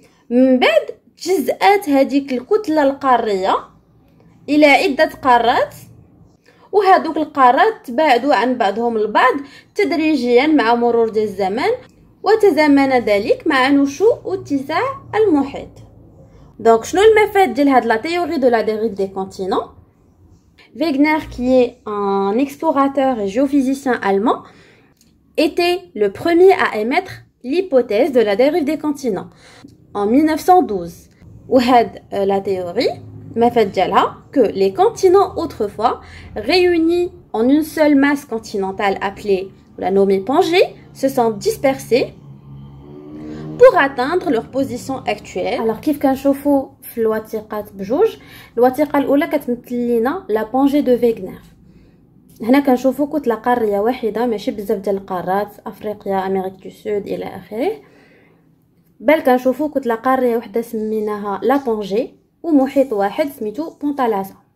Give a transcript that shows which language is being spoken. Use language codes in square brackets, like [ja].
[ar] من بعد تجزأت هذيك الكتله القاريه الى عده قارات، وهذوك القارات تباعدوا عن بعضهم البعض تدريجيا مع مرور ديال الزمن، وتزامن ذلك مع نشوء واتساع المحيط. [fr] دونك [ar] شنو المفاد ديال هاد [fr] لا تيوري دو لا ديريف دي كونتينون؟ Wegener, qui est un explorateur et géophysicien allemand, était le premier à émettre l'hypothèse de la dérive des continents en 1912. Où la théorie m'a fait dire que les continents autrefois, réunis en une seule masse continentale appelée ou la nommée Pangée, se sont dispersés pour atteindre leur position actuelle. Alors, qu'est-ce qu'un chauffe-eau [ar] الوثيقات بجوج؟ الوثيقه الاولى كتمثل لينا لا بونجي دو فيغنر. هنا كنشوفوا كتله قاريه واحده، ماشي بزاف ديال القارات، افريقيا امريكا دو سود الى اخره، بل كنشوفوا كتله قاريه واحده سميناها لا بونجي ومحيط واحد سميتو بونتالاسا.